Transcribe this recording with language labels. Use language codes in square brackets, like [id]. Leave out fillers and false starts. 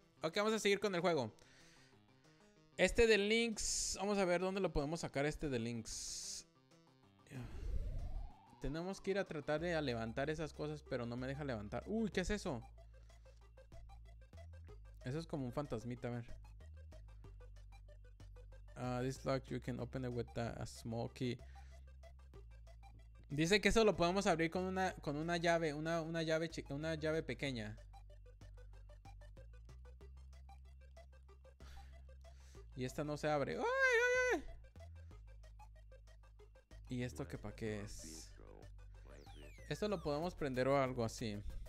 [es] Ok, vamos a seguir con el juego. Este de Lynx... vamos a ver dónde lo podemos sacar este de Lynx. Tenemos que ir a tratar de levantar esas cosas, pero no me deja levantar. Uy, ¿qué es eso? Eso es como un fantasmita, a ver. [en] This lock you can open it with a small key. [es] Dice que eso lo podemos abrir con una llave, una llave pequeña. Y esta no se abre. ¡Ay, ay, ay! ¿Y esto qué para qué es? Esto lo podemos prender o algo así.